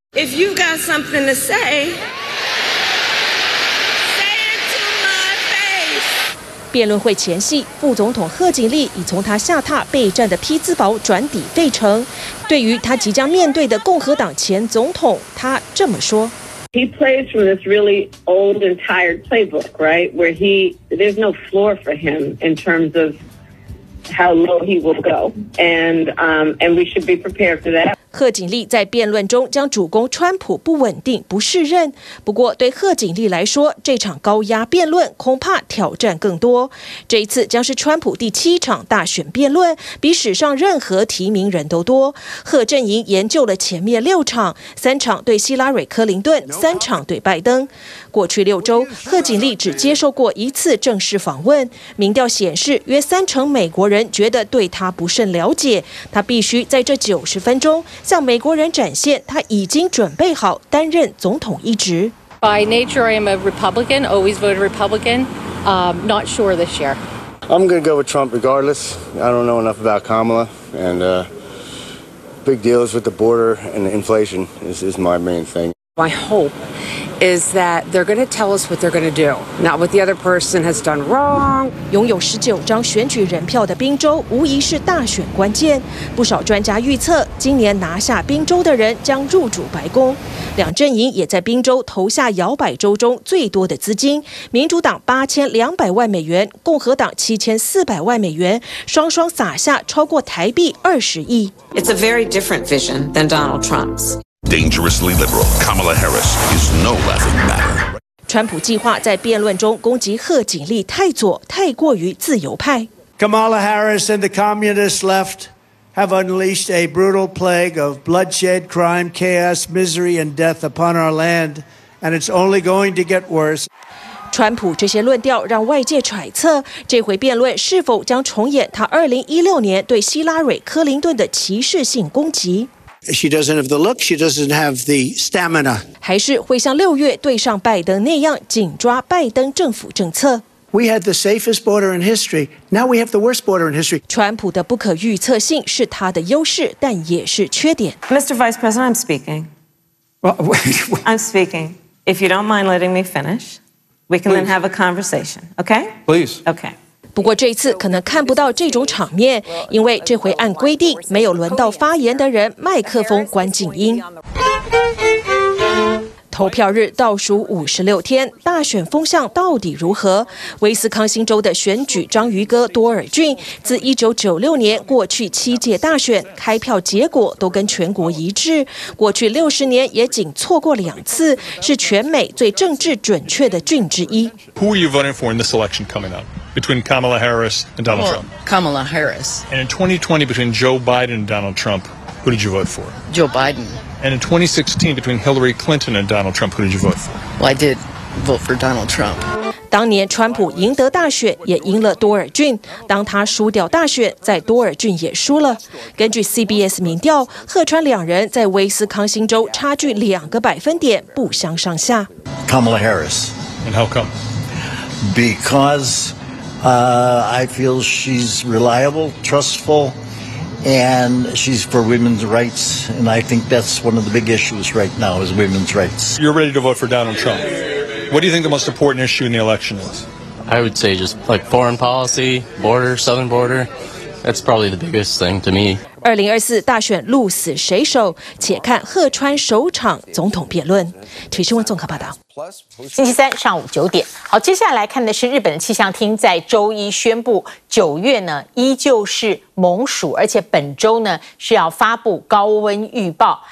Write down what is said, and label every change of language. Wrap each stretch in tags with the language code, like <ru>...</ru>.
<en>If you got something to say it to my face.</en> <zh>辩论会前夕，副总统贺锦丽已从他下榻备战的匹兹堡转抵费城。对于他即将面对的共和党前总统，他这么说</zh> <en>：“He plays from this really old and tired playbook, right? Where he there's no floor for him in terms of how low he will go, and we should be prepared for that.”</en> <zh>贺锦丽在辩论中将主攻川普不稳定、不适任。不过，对贺锦丽来说，这场高压辩论恐怕挑战更多。这一次将是川普第7场大选辩论，比史上任何提名人都多。贺阵营研究了前面6场，3场对希拉蕊·克林顿，3场对拜登。过去6周，贺锦丽只接受过1次正式访问。民调显示，约30%美国人觉得对他不甚了解。他必须在这90分钟。向美国人展现他已经准备好担任总统一职。</zh> <en>By nature, I am a Republican. Always voted Republican. Not sure this year. I'm going to go with Trump regardless. I don't know enough about Kamala. And big deals with the border and the inflation is my main thing. My hope is that they're going to tell us what they're going to do, not what the other person has done wrong.</en> <zh>拥有19张选举人票的宾州无疑是大选关键。不少专家预测，今年拿下宾州的人将入主白宫。两阵营也在宾州投下摇摆州中最多的资金，民主党8200万美元，共和党7400万美元，双双撒下超过台币20亿。</zh> <en>It's a very different vision than Donald Trump's. Dangerously liberal, Kamala Harris is no laughing matter.</en> <zh>川普计划在辩论中攻击贺锦丽太左，太过于自由派。</zh> <en>Kamala Harris and the communist left have unleashed a brutal plague of bloodshed, crime, chaos, misery, and death upon our land, and it's only going to get worse.</en> <zh>川普这些论调让外界揣测，这回辩论是否将重演他2016年对希拉蕊·克林顿的歧视性攻击。</zh> <en>She doesn't have the look, she doesn't have the stamina.</en> <zh>还是会像六月对上拜登那样紧抓拜登政府政策。</zh> <en>We had the safest border in history. Now we have the worst border in history.</en> <zh>川普的不可预测性是他的优势，但也是缺点。</zh> <en>Mr. Vice President, I'm speaking. I'm speaking. If you don't mind letting me finish, we can then have a conversation, okay? Please. Okay.</en> <zh>不过这次可能看不到这种场面，因为这回按规定没有轮到发言的人麦克风关静音。投票日倒数56天，大选风向到底如何？威斯康星州的选举章鱼哥多尔郡，自1996年过去7届大选开票结果都跟全国一致，过去60年也仅错过2次，是全美最政治准确的郡之一。</zh> <en>Who are you voting for in this election coming up? Between Kamala Harris and Donald Trump. Kamala Harris. And in 2020, between Joe Biden and Donald Trump, who did you vote for? Joe Biden. And in 2016, between Hillary Clinton and Donald Trump, who did you vote for? Well, I did vote for Donald Trump.</en> <zh>当年川普赢得大选也赢了多尔郡，当他输掉大选，在多尔郡也输了。根据 CBS 民调，贺川两人在威斯康星州差距2%不相上下。</zh> <en>Kamala Harris. And how come? Because、I feel she's reliable, trustful, and she's for women's rights. And I think that's one of the big issues right now is women's rights. You're ready to vote for Donald Trump. What do you think the most important issue in the election is? I would say just like foreign policy, border, southern border. That's probably the biggest thing to me.</en> <zh>2024大选鹿死谁手，且看贺川首场总统辩论。体育新闻综合报道。星期三上午9点。好，接下来看的是日本的气象厅在周一宣布，九月呢依旧是猛暑，而且本周呢是要发布高温预报。</zh>